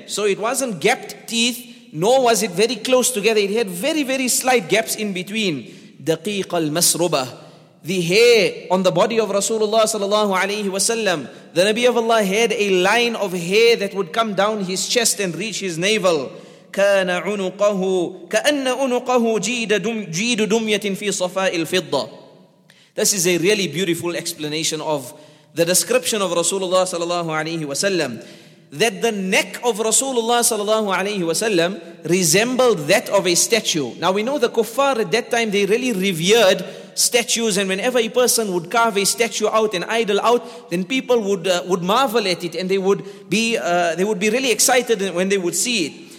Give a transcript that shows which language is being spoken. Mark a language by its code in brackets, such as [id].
[en] So it wasn't gapped teeth, nor was it very close together. It had very, very slight gaps in between. [ar] دقيق المسربة. [en] The hair on the body of Rasulullah sallallahu alayhi wasallam, the Nabi of Allah had a line of hair that would come down his chest and reach his navel. [ar] كان عنقه كأن عنقه جيد دمية في صفاء الفضة. [en] This is a really beautiful explanation of the description of Rasulullah sallallahu alayhi wasallam, that the neck of Rasulullah sallallahu alayhi wasallam resembled that of a statue. Now we know the kuffar at that time, they really revered statues, and whenever a person would carve a statue out, an idol out, then people would marvel at it, and they would be really excited when they would see it.